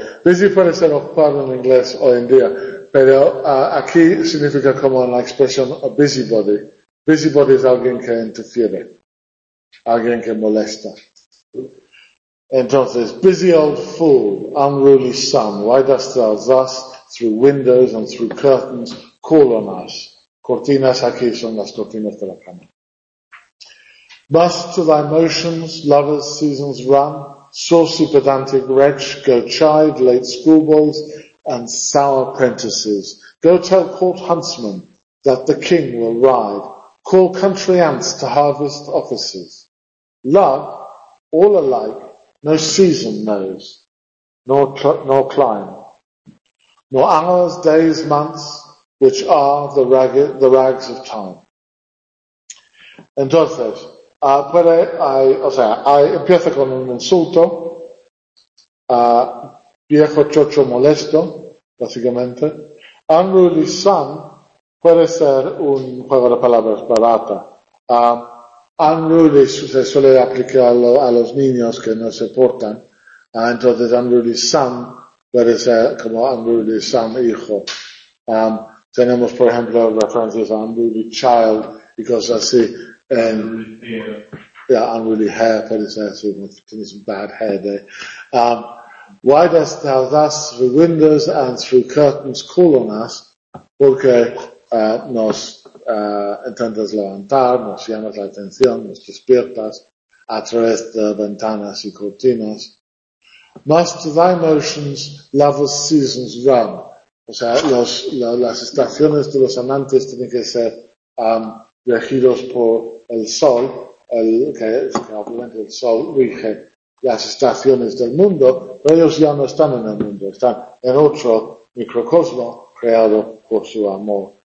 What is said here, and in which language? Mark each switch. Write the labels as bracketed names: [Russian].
[Spanish] Busy puede ser ocupado en inglés hoy en día, pero aquí significa como la expresión a busybody. Busybody es alguien que interfiere, alguien que molesta. [English] Entonces, busy old fool, unruly son, why dost thou thus, through windows and through curtains, call on us? [Spanish] Cortinas aquí son las cortinas de la cama. [English] Must to thy motions, lovers, seasons run, saucy pedantic wretch, go chide late schoolboys and sour apprentices. Go tell court huntsmen that the king will ride. Call country ants to harvest offices. Love, all alike, no season knows, nor clime. Nor hours, days, months, which are the rags of time. [Spanish] Entonces, puede, hay, o sea, hay, empieza con un insulto, viejo chocho molesto, básicamente. Unruly son puede ser un juego de palabras barata. Unruly se suele aplicar a los niños que no se portan. Entonces, unruly son puede ser como unruly son hijo. Tenemos, por ejemplo, referencias a unruly child y cosas así. [English] And yeah, unruly hair, for instance, bad hair day. Why dost thou thus through windows and through curtains call on us? [Spanish] Porque nos intentas levantar, nos llamas la atención, nos despiertas a través de ventanas y cortinas. [English] Must thy motions love the seasons run? [Spanish] O sea, las estaciones de los amantes tienen que ser regidos por el sol, que obviamente el sol rige las estaciones del mundo, pero ellos ya no están en el mundo, están en otro microcosmo creado por su amor.